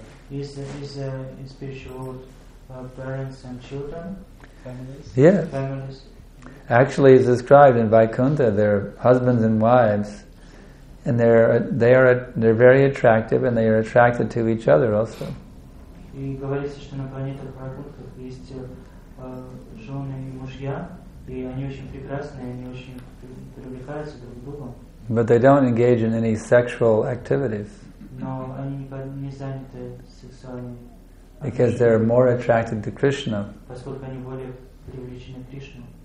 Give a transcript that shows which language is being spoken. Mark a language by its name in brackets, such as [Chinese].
[English] Is there in spiritual world parents and children? Families? Yes. Families. Actually, it's described in Vaikuntha, there are husbands and wives. And they're very attractive, and they are attracted to each other also. [Russian] И говорится, что на планетах Вайкунтх есть жены и мужья, и они очень прекрасные, они очень привлекаются друг к другу. [English] But they don't engage in any sexual activities. [Russian] Но они не заняты сексуальными. [English] Because they're more attracted to Krishna. [Russian] Поскольку они более привлечены к Кришне.